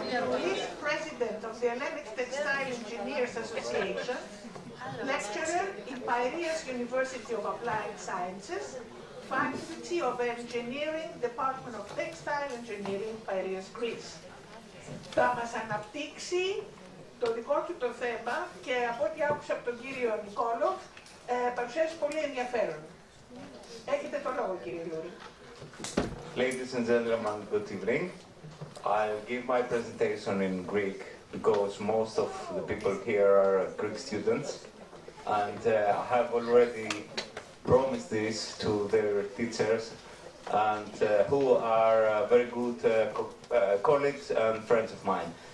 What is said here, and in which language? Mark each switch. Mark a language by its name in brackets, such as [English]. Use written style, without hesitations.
[English] Please, President. president of the Hellenic Textile Engineers Association, lecturer in Piraeus University of Applied Sciences, Faculty of Engineering, Department of Textile Engineering, Piraeus, Greece. [Greek] Θα μας αναπτύξει το δικό του το θέμα και από ό,τι άκουσα από τον κύριο Νικόλοφ, παρουσιάζει πολύ ενδιαφέρον. Έχετε το λόγο, κύριε Λούρη. [English] Ladies and gentlemen, good evening. I'll give my presentation in Greek because most of the people here are Greek students, and I have already promised this to their teachers, and who are very good colleagues and friends of mine.